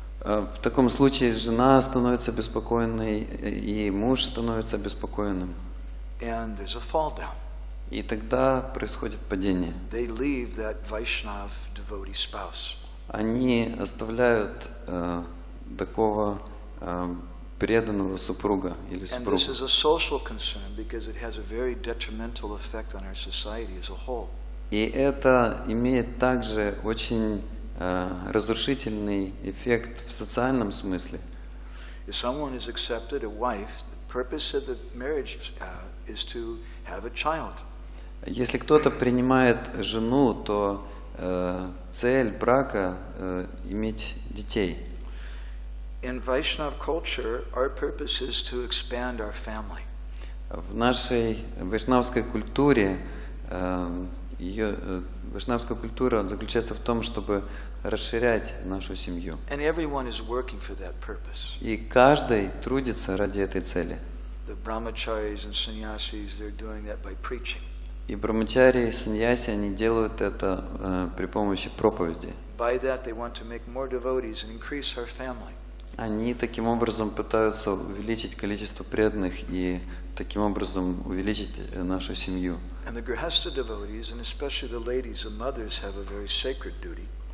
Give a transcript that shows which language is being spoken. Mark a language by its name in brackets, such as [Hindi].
[Russian] В таком случае жена становится беспокойной, и муж становится беспокоенным. [English] And there's a fall down. [Russian] И тогда происходит падение. [English] They leave that Vaishnav devotee spouse. [Russian] Они оставляют такого преданного супруга или супругу. [English] And this is a social concern because it has a very detrimental effect on our society as a whole. [Russian] И это имеет также очень разрушительный эффект в социальном смысле. [English] If someone has accepted a wife, the purpose of the marriage is to have a child. [Russian] Если кто-то принимает жену, то цель брака иметь детей. [English] In Vaishnav culture, our purpose is to expand our family. [Russian] В нашей вайшнавской культуре Ее вайшнавская культура заключается в том, чтобы расширять нашу семью. [English] And everyone is working for that purpose. [Russian] И каждый трудится ради этой цели. [English] The brahmacharis and sannyasis, they're doing that by preaching. [Russian] И брахмачарии, саньяси, они делают это при помощи проповеди. [English] By that they want to make more devotees and increase our family. [Russian] Они таким образом пытаются увеличить количество преданных и таким образом увеличить нашу семью. [English] And the grihastha devotees, and especially the ladies, the mothers, have a very sacred duty.